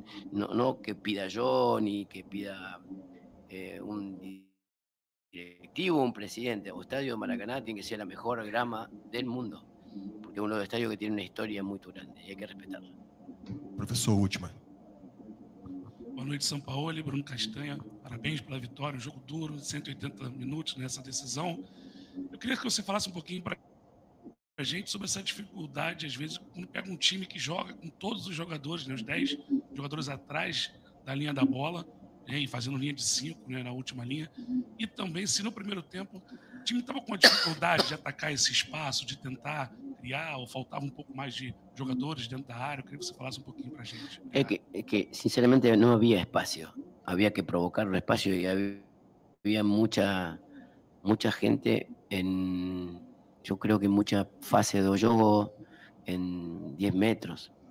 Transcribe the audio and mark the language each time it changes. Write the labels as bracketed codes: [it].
[es] No que pida yo, ni que pida un directivo, un presidente. El estadio de Maracaná tiene que ser la mejor grama del mundo, porque es uno de los estadios que tiene una historia muy grande y hay que respetarlo. Profesor, última. [pt] Boa noite, São Paulo. E Bruno Castanha, parabéns pela vitória. Um jogo duro, 180 minutos nessa decisão. Eu queria que você falasse um pouquinho para a gente sobre essa dificuldade, às vezes, quando pega um time que joga com todos os jogadores, né, os 10 jogadores atrás da linha da bola, né, e fazendo linha de 5, né, na última linha. E também, se no primeiro tempo o time estava com a dificuldade de atacar esse espaço, de tentar criar, ou faltava um pouco mais de jogadores dentro da área. Eu queria que você falasse um pouquinho para a gente. É que, sinceramente, não havia espaço. Havia que provocar o espaço e havia [es] mucha gente en, yo creo que en mucha fase de juego en 10 metros.